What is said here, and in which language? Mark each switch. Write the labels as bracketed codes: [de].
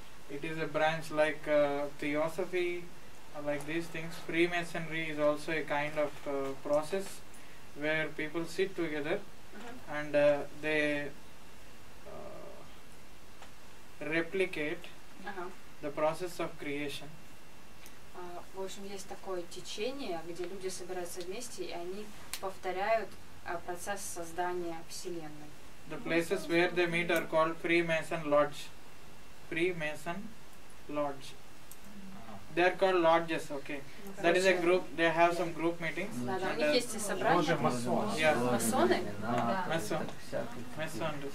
[en] It is a branch like theosophy, like these things. Freemasonry is also a kind of process where people sit together uh-huh. and they replicate uh-huh. the process of creation. [ru] В общем, есть такое течение, где люди собираются вместе и они повторяют процесс создания Вселенной. [en] The places where they meet are called Freemason Lodge. Freemason Lodge. They are called lodges, okay. That is a group, they have some group meetings. [ru] Да, у них есть собрания. Тоже масоны. Масоны? Да. Масоны.